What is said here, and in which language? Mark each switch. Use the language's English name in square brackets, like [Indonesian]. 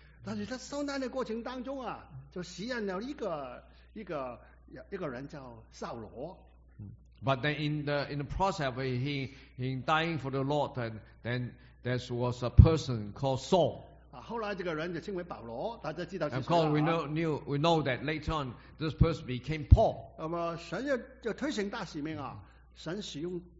[Chinese] 但是在受难的过程当中啊，就实验了一个人叫扫罗。But [English] then in the process of him dying for the Lord, then there was a person called Saul. [Chinese] 后来这个人就称为保罗，大家知道是谁啊？ [English] Of course, we know that later on this person became Paul. [Chinese] 那么神要推行大使命啊，神使用。